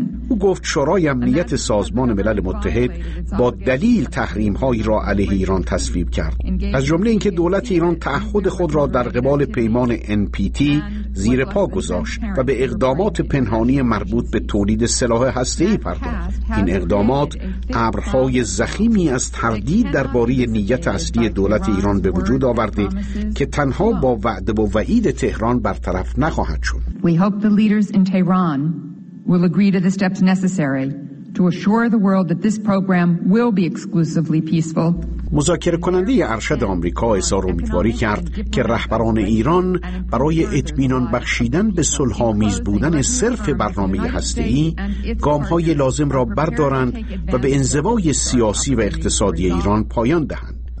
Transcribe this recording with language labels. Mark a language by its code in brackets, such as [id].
[fa] او گفت شورای امنیت سازمان ملل متحد با دلیل تحریم هایی را علیه ایران تصویب کرد، از جمله اینکه دولت ایران تعهد خود را در قبال پیمان NPT زیر پا گذاشت و به اقدامات پنهانی مربوط به تولید سلاح هسته‌ای پرداخت. این اقدامات ابرهای ضخیمی از تردید درباره نیت اصلی دولت ایران به وجود آورده که تنها با وعده و وعید تهران برطرف نخواهد شد. [en] We hope the leaders in Tehran will agree to the steps necessary to assure the world that this program will be exclusively peaceful. [fa] مذاکره کننده ارشد آمریکا اظهار امیدواری کرد که رهبران ایران برای اطمینان بخشیدن به صلح‌آمیز بودن صرف برنامه هسته‌ای گام‌های لازم را بردارند و به انزوای سیاسی و اقتصادی ایران پایان دهند.